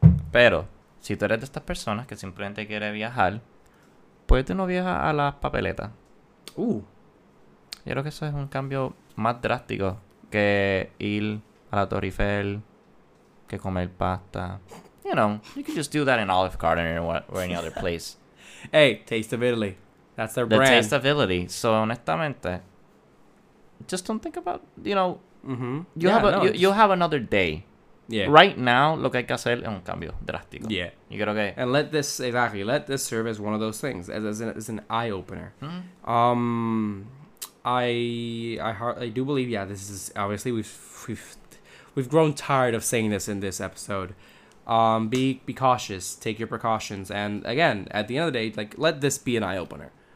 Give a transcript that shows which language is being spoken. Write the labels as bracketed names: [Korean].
[Spanish] Pero, si tú eres de estas personas que simplemente quiere viajar, pues tú no viajas a las papeletas. Yo creo que eso es un cambio más drástico que ir a la Torre Eiffel, que comer pasta. [English] You know, you can just do that in Olive Garden or any other place. Hey, Taste of Italy. That's their brand. The Taste of Italy. So, [Spanish] honestamente, [English] just don't think about, you know, you'll have another day. Yeah. Right now, [Spanish] lo que hay que hacer es un cambio drástico. [English] Yeah. [Spanish] Yo creo que... [English] And let this serve as one of those things, as an eye-opener. Mm-hmm. I do believe, yeah, this is... Obviously, we've grown tired of saying this in this episode. Be cautious. Take your precautions. And again, at the end of the day, like, let this be an eye-opener.